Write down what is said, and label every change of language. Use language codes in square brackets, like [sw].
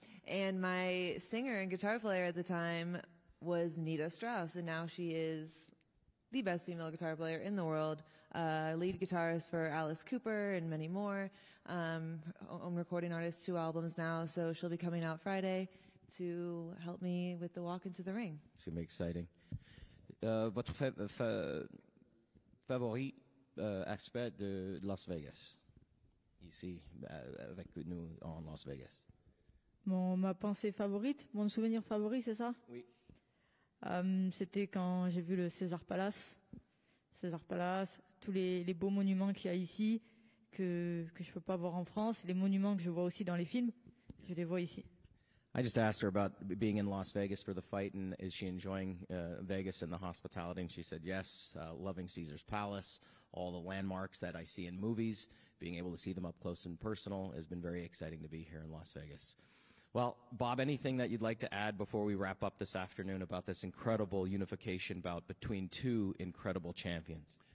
[en] And my singer and guitar player at the time was Nita Strauss, and now she is the best female guitar player in the world, lead guitarist for Alice Cooper and many more, own recording artist, two albums now, so she'll be coming out Friday to help me with the walk into the ring. It's going to be exciting. [fr] Votre favori aspect de Las Vegas, ici, avec nous en Las Vegas. Ma pensée favorite, mon souvenir favori, c'est ça? Oui. C'était quand j'ai vu le César Palace. César Palace, tous les beaux monuments qu'il y a ici, que je ne peux pas voir en France, les monuments que je vois aussi dans les films, je les vois ici. [en] I just asked her about being in Las Vegas for the fight, and is she enjoying Vegas and the hospitality? And she said yes, loving Caesar's Palace, all the landmarks that I see in movies, being able to see them up close and personal has been very exciting to be here in Las Vegas. Well, Bob, anything that you'd like to add before we wrap up this afternoon about this incredible unification bout between two incredible champions?